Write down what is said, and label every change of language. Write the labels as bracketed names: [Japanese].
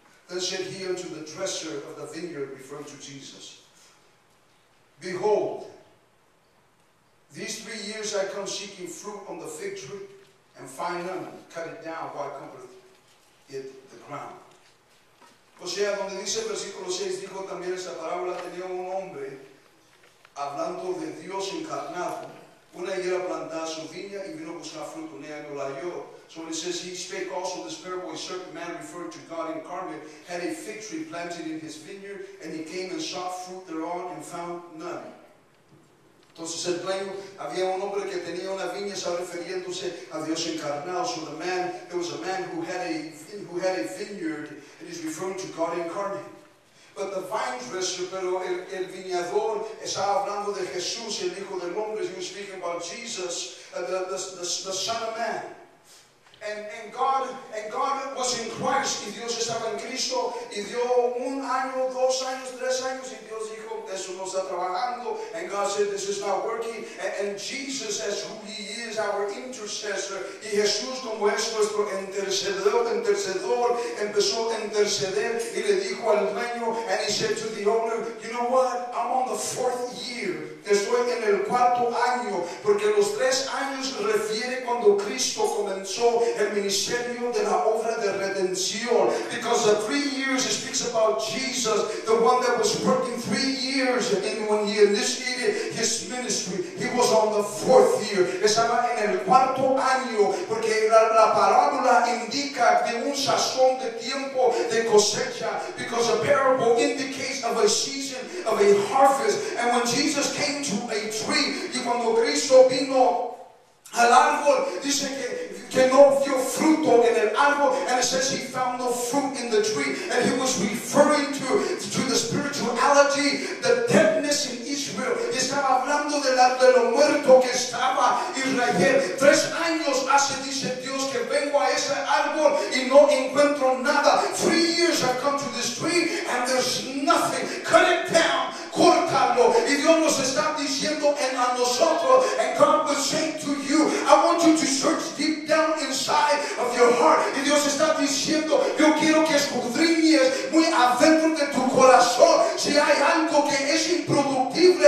[English] Then said he unto the dresser of the vineyard, referring to Jesus, behold, these 3 years I come seeking fruit on the fig tree, and find none, cut it down, why compareth it the ground? [Spanish] O sea, donde dice el versículo 6, dijo también esa parábola, tenía un hombre, hablando de Dios encarnado, una higuera plantada su viña, y vino a buscar fruto en ella, no la halló. [English] So when it says, he spake also this parable, a certain man referred to God incarnate, had a fig tree planted in his vineyard, and he came and sought fruit thereon, and found none. [Spanish] Entonces el dueño, había un hombre que tenía una viña, está refiriéndose a Dios encarnado. [English] So the man, there was a man who had a vineyard, and he's referring to God incarnate. But the vine dresser, [Spanish] pero el viñador, estaba hablando de Jesús, el Hijo del Hombre. [English] He was speaking about Jesus, the Son of Man. And God was in Christ, [Spanish] y Dios estaba en Cristo, y dio un año, dos años, tres años, y Dios dijo, eso no está trabajando, [English] and God said, this is not working, and Jesus, as who he is, our intercessor, [Spanish] y Jesús, como es nuestro intercedor, empezó a interceder, y le dijo al dueño, [English] and he said to the owner, you know what, I'm on the fourth year, [Spanish] estoy en el cuarto año, porque los tres años refiere cuando Cristo comenzó el ministerio de la obra de redención. [English] Because the 3 years it speaks about Jesus, the one that was working 3 years, and when he initiated his ministry, he was on the fourth year. [Spanish] Estaba en el cuarto año, porque la parábola indica de un sazón de tiempo de cosecha. [English] Because a parable indicates of a season of a harvest, and when Jesus came to a tree, [Spanish] y cuando Cristo vino al árbol, dice que no vio fruto en el árbol, [English] and it says he found no fruit in the tree, and he was referring to the spirituality, the deadness in Israel. [Spanish] Estaba hablando de lo muerto que estaba Israel. 3 años hace, dice Dios, que vengo a ese árbol y no encuentro nada. [English] 3 years I've come to this tree and there's nothing. Cut it down. [Spanish] Córtalo. Y Dios nos está diciendo en a nosotros, [English] and God was saying to you, I want you to search deep down inside of your heart. [Spanish] Y Dios está diciendo, yo quiero que escudriñes muy adentro de tu corazón si hay algo que es improductible.